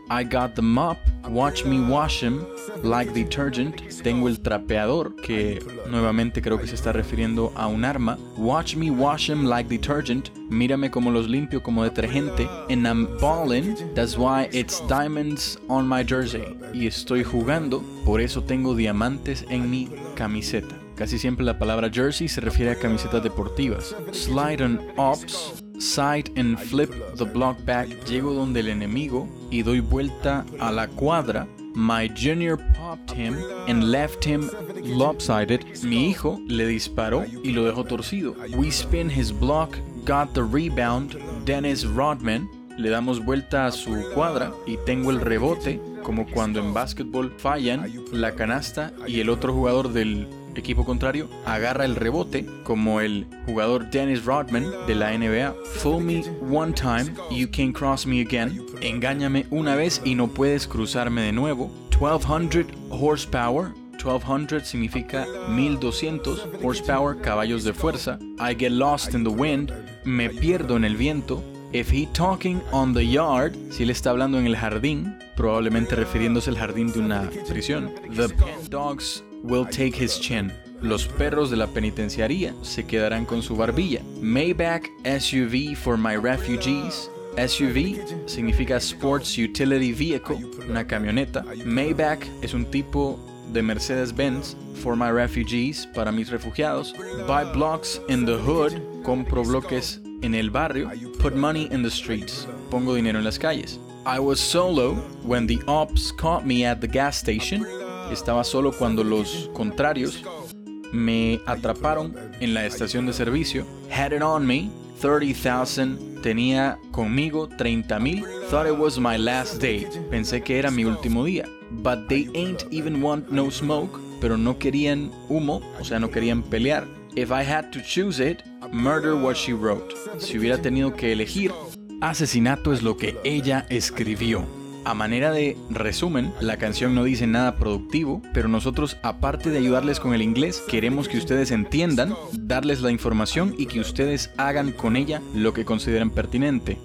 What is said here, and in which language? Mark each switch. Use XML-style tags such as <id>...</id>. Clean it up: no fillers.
<en>I got the mop, watch me wash him like detergent.</en> <es>Tengo el trapeador, que nuevamente creo que se está refiriendo a un arma.</es> <en>Watch me wash him like detergent.</en> <es>Mírame como los limpio como detergente.</es> <en>And I'm ballin', that's why it's diamonds on my jersey.</en> <es>Y estoy jugando, por eso tengo diamantes en mi camiseta. Casi siempre la palabra jersey se refiere a camisetas deportivas.</es> <en>Slide on ops, side and flip the block back.</en> <es>Llego donde el enemigo y doy vuelta a la cuadra.</es> <en>My junior popped him and left him lopsided.</en> <es>Mi hijo le disparó y lo dejó torcido.</es> <en>We spin his block, got the rebound, Dennis Rodman.</en> <es>Le damos vuelta a su cuadra y tengo el rebote, como cuando en básquetbol fallan la canasta y el otro jugador del equipo contrario agarra el rebote, como el jugador Dennis Rodman de la NBA.</es> <en>Fool me one time, you can't cross me again.</en> <es>Engáñame una vez y no puedes cruzarme de nuevo. 1200 horsepower. 1200 significa 1200 horsepower, caballos de fuerza.</es> <en>I get lost in the wind.</en> <es>Me pierdo en el viento.</es> <en>If he talking on the yard,</en> <es>si él está hablando en el jardín, probablemente refiriéndose al jardín de una prisión.</es> <en>The pen dogs will take his chin.</en> <es>Los perros de la penitenciaría se quedarán con su barbilla.</es> <en>Maybach SUV for my refugees.</en> <es>SUV significa sports utility vehicle, una camioneta. Maybach es un tipo de Mercedes-Benz</es> <en>for my refugees,</en> <es>para mis refugiados.</es> <en>Buy blocks in the hood,</en> <es>compro bloques en el barrio.</es> <en>Put money in the streets,</en> <es>pongo dinero en las calles.</es> <en>I was solo when the ops caught me at the gas station.</en> <es>Estaba solo cuando los contrarios me atraparon en la estación de servicio.</es> <en>Had it on me, 30,000.</en> <es>Tenía conmigo 30,000.</es> <en>Thought it was my last day.</en> <es>Pensé que era mi último día.</es> <en>But they ain't even want no smoke.</en> <es>Pero no querían humo, o sea, no querían pelear.</es> <en>If I had to choose it, murder what she wrote.</en> <es>Si hubiera tenido que elegir, asesinato es lo que ella escribió. A manera de resumen, la canción no dice nada productivo, pero nosotros, aparte de ayudarles con el inglés, queremos que ustedes entiendan, darles la información y que ustedes hagan con ella lo que consideren pertinente.</es>